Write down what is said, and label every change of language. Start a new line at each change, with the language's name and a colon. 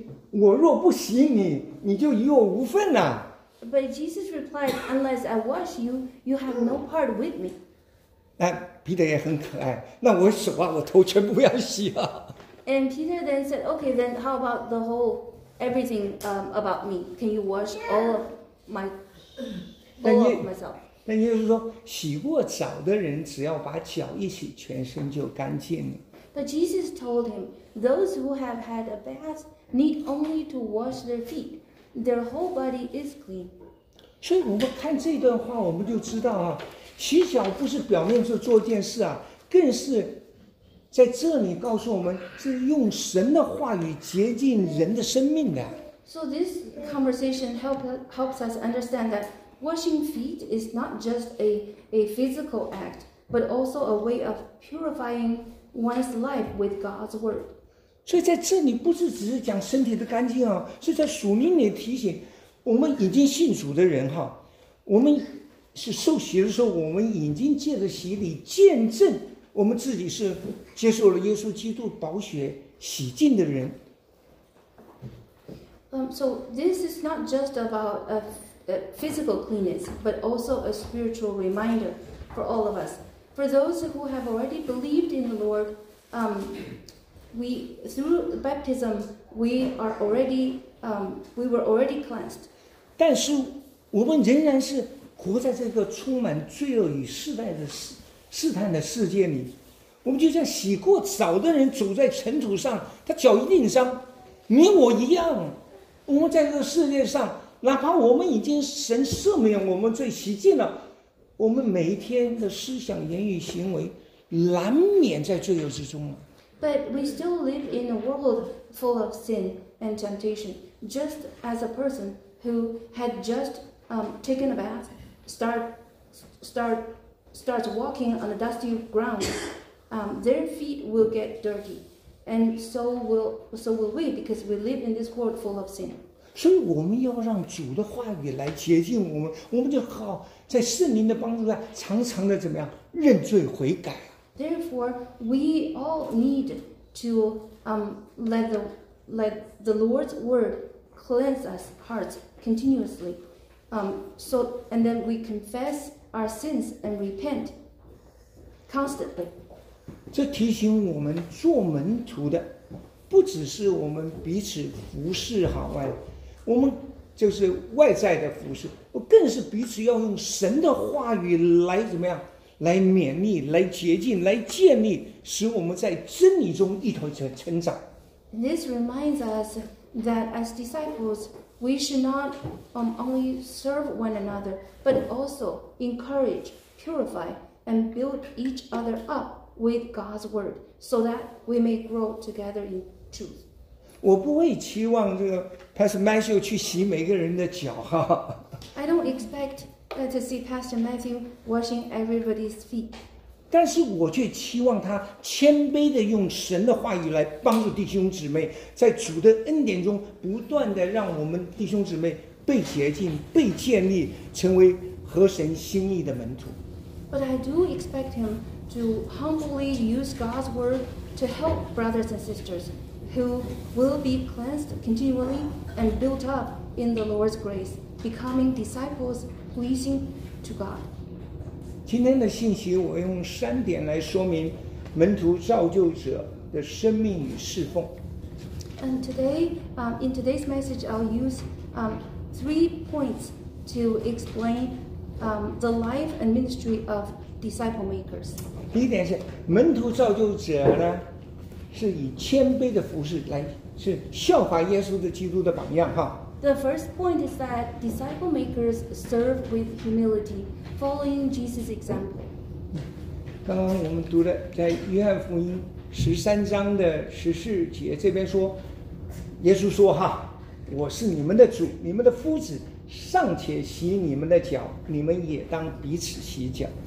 Chinese: 我若不洗你，你就与我无份
English: But Jesus replied, "Unless I wash you, you have no part with me."
Chinese: 彼得也很可爱。那我手我头全部要洗
English: And Peter then said, okay, then how about the whole, everything about me? Can you wash all of myself?
Chinese: 那就是说，洗过澡的人只要把脚一洗，全身就干净了。
English: But Jesus told him, those who have had a bath need only to wash their feet. Their whole body is clean.
Chinese: 所以我们看这段话，我们就知道啊，洗脚不是表面就做件事啊，更是在这里告诉我们，是用神的话语洁净人的生命的。
English: So this conversation helps us understand that washing feet is not just a physical act, but also a way of purifying one's life with God's word.
Chinese: 所以在这里不是只是讲身体的干净啊，是在属灵里提醒我们已经信主的人哈，我们是受洗的时候，我们已经借着洗礼见证我们自己是接受了耶稣基督宝血洗净的人。
English: So this is not just about a physical cleanness, but also a spiritual reminder for all of us. For those who have already believed in the Lord, we through baptism we were already cleansed.
Chinese: 但是我们仍然是活在这个充满罪恶与世代的试探的世界里，我们就像洗过澡的人走在尘土上，他脚一定脏，你我一样。我们在这个世界上，哪怕我们已经神赦免我们罪洗净了，我们每一天的思想、言语、行为，难免在罪恶之中了。
English: But we still live in a world full of sin and temptation, just as a person who had just taken a bath, starts walking on a dusty ground, their feet will get dirty, and so will we, because we live in this world full of sin.
Chinese: 所以我们要让主的话语来洁净我们，我们就好在圣灵的帮助下，常常的怎么样认罪悔改。
English: Therefore, we all need to let the Lord's word cleanse us hearts continuously. And then we confess our sins and repent constantly.
Chinese: 这提醒我们做门徒的，不只是我们彼此服侍好外，我们就是外在的服侍，更是彼此要用神的话语来怎么样，来勉励，来洁净，来建立，使我们在真理中一同成长。
English: This reminds us that as disciples, we should not only serve one another, but also encourage, purify, and build each other up with God's word, so that we may grow together in truth.
Chinese: 我不会期望这个 Pastor Matthew 去洗每个人的脚哈。
English: I don't expect to see Pastor Matthew washing everybody's feet.
Chinese: 但是我却期望他谦卑地用神的话语来帮助弟兄姊妹，在主的恩典中不断地让我们弟兄姊妹被洁净、被建立，成为合神心意的门徒。
English: But I do expect him to humbly use God's word to help brothers and sisters who will be cleansed continually and built up in the Lord's grace, becoming disciples pleasing to God.
Chinese: 今天的信息我用三点来说明门徒造就者的生命与侍奉。
English: And today, in today's message, I'll use three points to explain the life and ministry of disciple makers.
Chinese: 第一点是门徒造就者呢，是以谦卑的服侍来，是效法耶稣的基督的榜样哈。
English: The first point is that disciple makers serve with humility, following Jesus' example.
Chinese: 刚刚我们读的在约翰福音十三章的十四节，这边说，耶稣说哈，我是你们的主，你们的夫子尚且洗你们的脚，你们也当彼此洗脚。